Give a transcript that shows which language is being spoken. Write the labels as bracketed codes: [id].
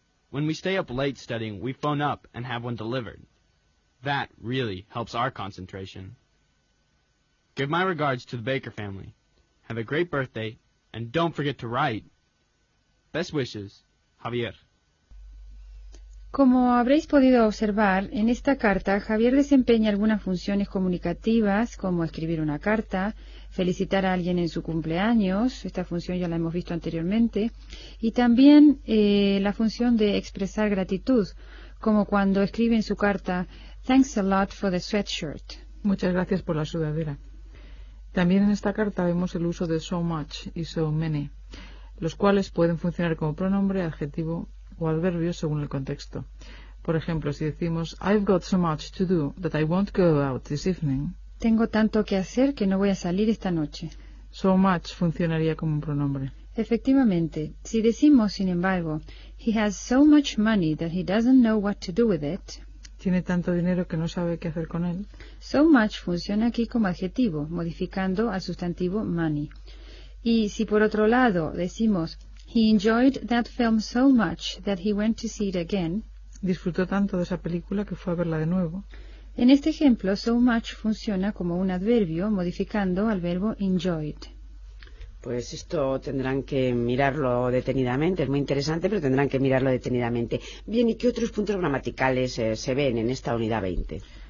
[en] When we stay up late studying, we phone up and have one delivered. That really helps our concentration. Give my regards to the Baker family. Have a great birthday, and don't forget to write. Best wishes, Javier. [es] Como habréis podido observar, en esta carta Javier desempeña algunas funciones comunicativas, como escribir una carta, felicitar a alguien en su cumpleaños, esta función ya la hemos visto anteriormente, y también la función de expresar gratitud, como cuando escribe en su carta, [en] "Thanks a lot for the sweatshirt". [es] Muchas gracias por la sudadera. También en esta carta vemos el uso de so much y so many, los cuales pueden funcionar como pronombre, adjetivo o adverbio según el contexto. Por ejemplo, si decimos, [en] "I've got so much to do that I won't go out this evening". [es] Tengo tanto que hacer que no voy a salir esta noche. So much funcionaría como un pronombre. Efectivamente. Si decimos, sin embargo, [en] "He has so much money that he doesn't know what to do with it". [es] Tiene tanto dinero que no sabe qué hacer con él. So much funciona aquí como adjetivo, modificando al sustantivo money. Y si por otro lado decimos, [en] "He enjoyed that film so much that he went to see it again". [es] Disfrutó tanto de esa película que fue a verla de nuevo. En este ejemplo, so much funciona como un adverbio, modificando al verbo enjoyed. Pues esto tendrán que mirarlo detenidamente. Es muy interesante, pero tendrán que mirarlo detenidamente. Bien, ¿y qué otros puntos gramaticales se ven en esta unidad 20?